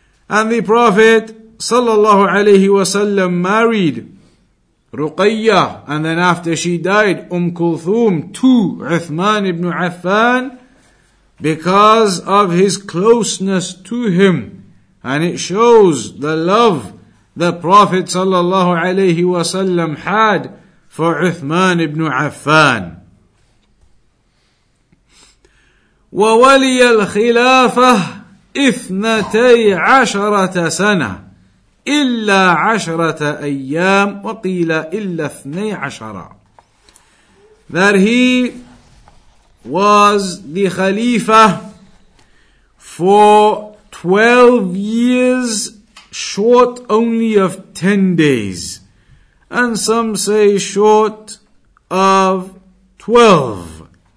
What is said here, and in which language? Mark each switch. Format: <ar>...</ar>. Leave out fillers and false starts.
<en>And the Prophet sallallahu alayhi wa sallam married Ruqayyah, and then after she died, Kulthum to Uthman ibn Affan, because of his closeness to him. And it shows the love the Prophet sallallahu alayhi wa sallam had for Uthman ibn Affan.</en> <ar>Wa wali al khilafah ithnatay asharata sana إلا عشرة أيام وقيل إلا اثني عشرة.</ar> <en>That he was the Khalifa for 12 years, short only of 10 days. And some say short of 12.</en>